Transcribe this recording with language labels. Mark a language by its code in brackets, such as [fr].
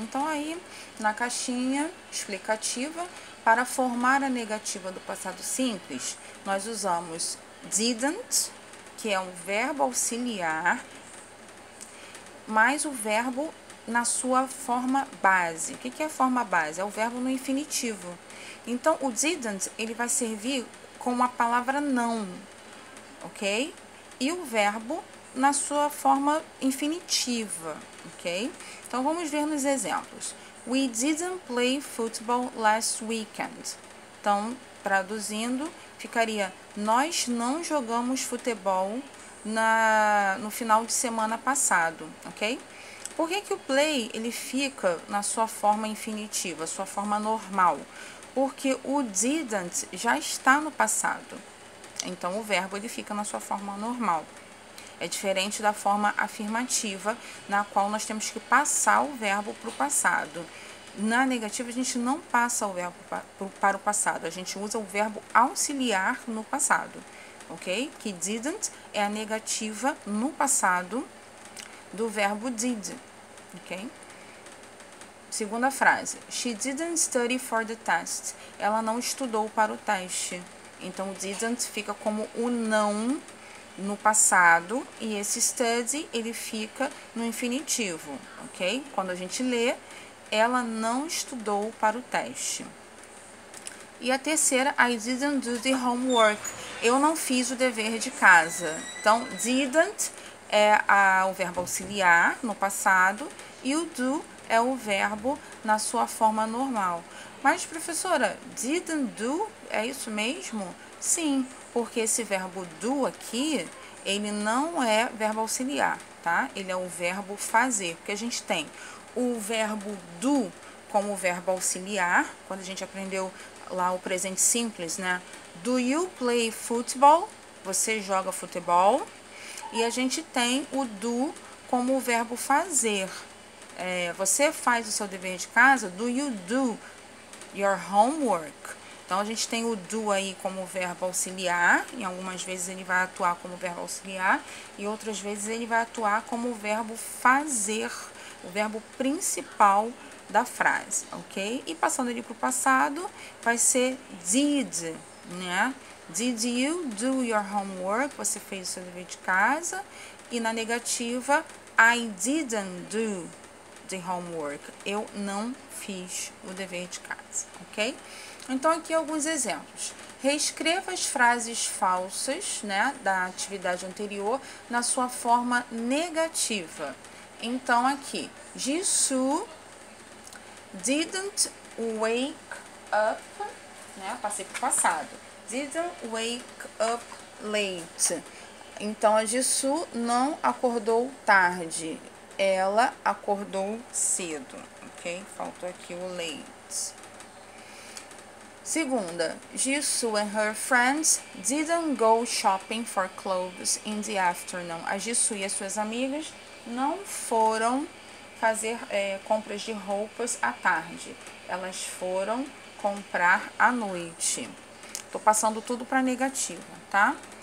[pt] Então, aí, na caixinha explicativa, para formar a negativa do passado simples, nós usamos didn't, que é um verbo auxiliar, mais o verbo na sua forma base. O que é a forma base? É o verbo no infinitivo. Então, o didn't, ele vai servir com a palavra não, ok? E o verbo na sua forma infinitiva, ok? Então vamos ver nos exemplos. [en] We didn't play football last weekend. [pt] Então, traduzindo, ficaria: nós não jogamos futebol no final de semana passado, ok? Por que que o play ele fica na sua forma infinitiva, sua forma normal? Porque o didn't já está no passado. Então, o verbo ele fica na sua forma normal. É diferente da forma afirmativa, na qual nós temos que passar o verbo para o passado. Na negativa, a gente não passa o verbo para o passado. A gente usa o verbo auxiliar no passado. Ok? Que didn't é a negativa no passado do verbo did. Ok? Segunda frase. [en] She didn't study for the test. [pt] Ela não estudou para o teste. Então, o didn't fica como o não no passado e esse study ele fica no infinitivo, ok? Quando a gente lê, ela não estudou para o teste. E a terceira, [en] I didn't do the homework. [pt] Eu não fiz o dever de casa. Então, didn't é o verbo auxiliar no passado e o do é o verbo na sua forma normal. Mas, professora, didn't do é isso mesmo? Sim, porque esse verbo do aqui, ele não é verbo auxiliar, tá? Ele é o verbo fazer, porque a gente tem o verbo do como verbo auxiliar, quando a gente aprendeu lá o presente simples, né? [en] Do you play football? [pt] Você joga futebol. E a gente tem o do como verbo fazer. Você faz o seu dever de casa? [en] Do you do your homework? [pt] Então, a gente tem o do aí como verbo auxiliar, e algumas vezes ele vai atuar como verbo auxiliar, e outras vezes ele vai atuar como verbo fazer, o verbo principal da frase, ok? E passando ele para o passado, vai ser did, né? [en] Did you do your homework? [pt] Você fez o seu dever de casa. E na negativa, [en] I didn't do the homework. [pt] Eu não fiz o dever de casa, ok? Então, aqui alguns exemplos. Reescreva as frases falsas, né, da atividade anterior na sua forma negativa. Então, aqui, Jisoo [en] didn't wake up, [pt] né, passei para o passado. [en] Didn't wake up late. [pt] Então, a Jisoo não acordou tarde. Ela acordou cedo, ok? Faltou aqui o late. [en] Segunda, Jisoo and her friends didn't go shopping for clothes in the afternoon. [pt] A Jisoo e as suas amigas não foram fazer compras de roupas à tarde. Elas foram comprar à noite. Tô passando tudo para negativa, tá?